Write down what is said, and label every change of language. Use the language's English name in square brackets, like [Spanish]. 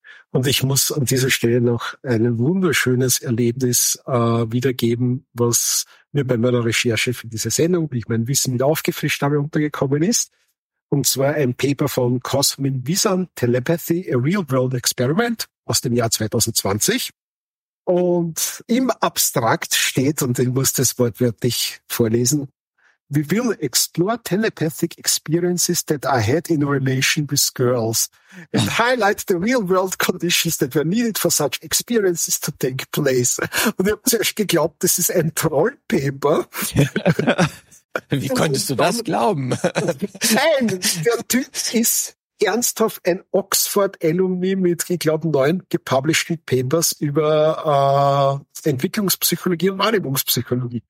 [German] Und ich muss an dieser Stelle noch ein wunderschönes Erlebnis wiedergeben, was mir bei meiner Recherche für diese Sendung, wie ich mein Wissen wieder aufgefrischt habe, untergekommen ist. Und zwar ein Paper von Cosmin Wisan, Telepathy, a Real-World Experiment aus dem Jahr 2020. Und im Abstrakt steht, und ich muss das wortwörtlich vorlesen, [English] we will explore telepathic experiences that I had in relation with girls and highlight the real-world conditions that were needed for such experiences to take place. [German] Und ich habe zuerst geglaubt, das ist ein Troll-Paper. Wie konntest du das glauben? Nein, der Typ ist ernsthaft ein Oxford-Alumni mit, ich glaube, 9 gepublished Papers über Entwicklungspsychologie und Wahrnehmungspsychologie.